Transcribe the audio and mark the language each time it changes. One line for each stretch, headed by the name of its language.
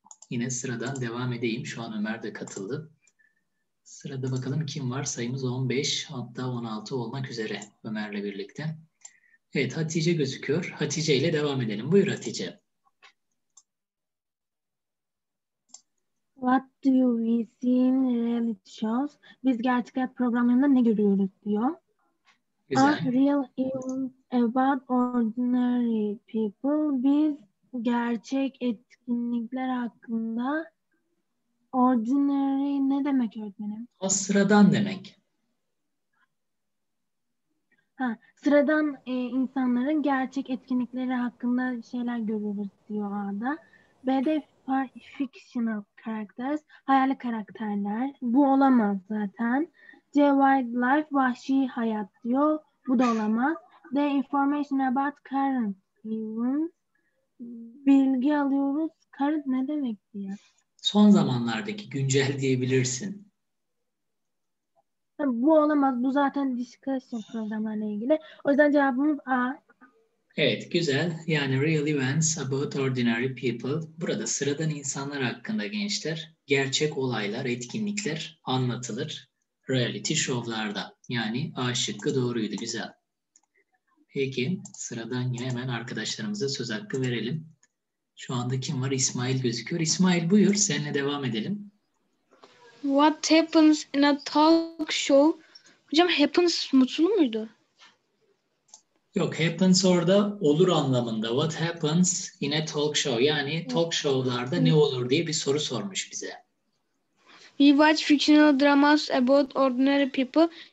Turkish: Yine sıradan devam edeyim. Şu an Ömer de katıldı. Sırada bakalım kim var? Sayımız 15, hatta 16 olmak üzere Ömer'le birlikte. Evet, Hatice gözüküyor. Hatice ile devam edelim. Buyur Hatice.
English: What do we see in reality shows?
Turkish: Biz gerçek hayat programlarında ne görüyoruz diyor. Güzel.
English: Are real about ordinary people?
Turkish: Biz gerçek etkinlikler hakkında ordinary ne demek öğretmenim? O sıradan demek. Ha, sıradan insanların gerçek etkinlikleri hakkında şeyler görüyoruz diyor A'da. B'de
English: fictional characters,
Turkish: hayali karakterler. Bu olamaz zaten. C, wildlife, vahşi hayat diyor. Bu da olamaz.
English: D, information about current events.
Turkish: Bilgi alıyoruz. Current ne demek diyor? Son zamanlardaki, güncel diyebilirsin. Bu olamaz. Bu zaten discussion programlarla ilgili. O yüzden cevabımız A. Evet, güzel. Yani
English: real events about ordinary people.
Turkish: Burada sıradan insanlar hakkında gençler, gerçek olaylar, etkinlikler anlatılır reality show'larda. Yani A şıkkı doğruydu, güzel. Peki, sıradan yine hemen arkadaşlarımıza söz hakkı verelim. Şu anda kim var? İsmail gözüküyor. İsmail buyur, seninle devam edelim.
English: What happens in a talk show?
Turkish: Hocam happens mutlu muydu? Yok, happens orada olur anlamında.
English: What happens in a talk show?
Turkish: Yani talk show'larda ne olur diye bir soru sormuş bize.
English: We watch fictional dramas about ordinary people.